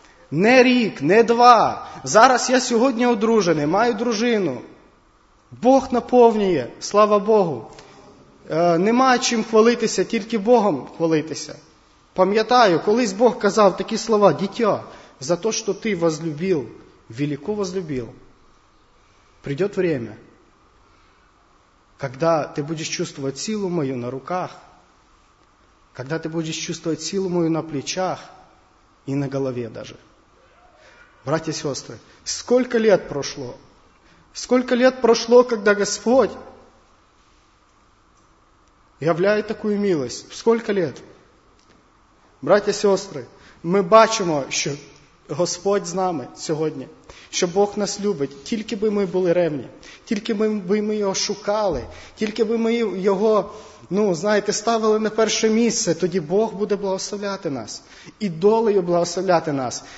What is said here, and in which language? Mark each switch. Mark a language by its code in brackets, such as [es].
[uk] Не рік, не два. Зараз я сьогодні одружений, маю дружину. Бог наповнює, слава Богу. Нема чим хвалитися, тільки Богом хвалитися. Пам'ятаю, колись Бог казав такі слова, дітя, [ru] за то, что ты возлюбил, велико возлюбил, придет время, когда ты будешь чувствовать силу мою на руках, когда ты будешь чувствовать силу мою на плечах и на голове даже. Братья и сестры, сколько лет прошло? Сколько лет прошло, когда Господь являет такую милость? Сколько лет? [uk] Братья и сестры, мы бачимо, що Господь з нами сьогодні, що Бог нас любить, тільки би ми були ревні, тільки би ми Його шукали, тільки би ми Його, ну, знаєте, ставили на перше місце, тоді Бог буде благословляти нас і долею благословляти нас.